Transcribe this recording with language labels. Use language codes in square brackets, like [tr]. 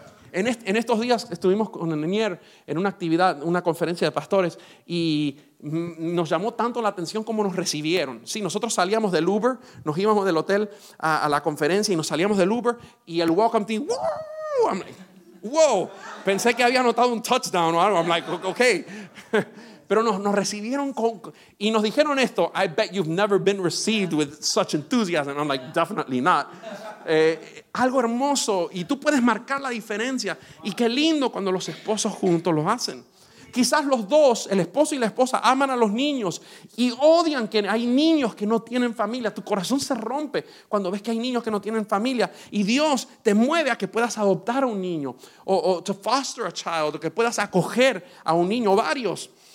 [es] En estos días estuvimos con Nenier en una actividad, una conferencia de pastores, y nos llamó tanto la atención como nos recibieron. Sí, nosotros salíamos del Uber, nos íbamos del hotel a la conferencia y nos salíamos del Uber y el [en] welcome team, [es] ¡wow! [en] I'm like, [es] ¡wow! Pensé que había anotado un touchdown o algo. [en] I'm like, ok. [es] Pero nos recibieron y nos dijeron esto: [en] I bet you've never been received with such enthusiasm. And I'm like, definitely not. [es] Algo hermoso, y tú puedes marcar la diferencia. Y qué lindo cuando los esposos juntos lo hacen. Quizás los dos, el esposo y la esposa, aman a los niños y odian que hay niños que no tienen familia. Tu corazón se rompe cuando ves que hay niños que no tienen familia y Dios te mueve a que puedas adoptar a un niño o [en] to foster a child, [es] o que puedas acoger a un niño o varios.